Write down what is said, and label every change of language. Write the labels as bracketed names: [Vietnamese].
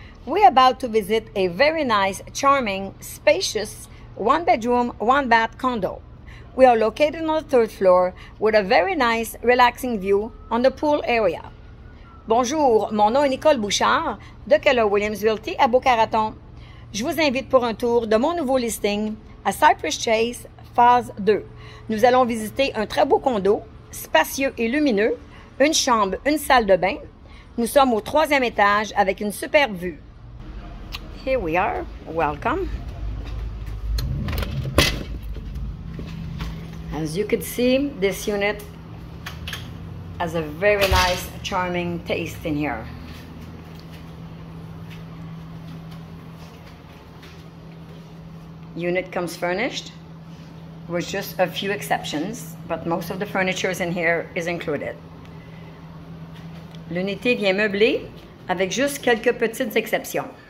[English] We're about to visit a very nice, charming, spacious, one-bedroom, one-bath condo. We are located on the third floor with a very nice, relaxing view on the pool area. [French] Bonjour, mon nom est Nicole Bouchard de Keller Williams Realty à Boca Raton. Je vous invite pour un tour de mon nouveau listing à Cypress Chase Phase 2. Nous allons visiter un très beau condo, spacieux et lumineux, une chambre, une salle de bain. Nous sommes au troisième étage avec une superbe vue. [English] Here we are. Welcome. As you can see, this unit has a very nice, charming taste in here. Unit comes furnished with just a few exceptions, but most of the furniture in here is included. [French] L'unité vient meublée avec juste quelques petites exceptions.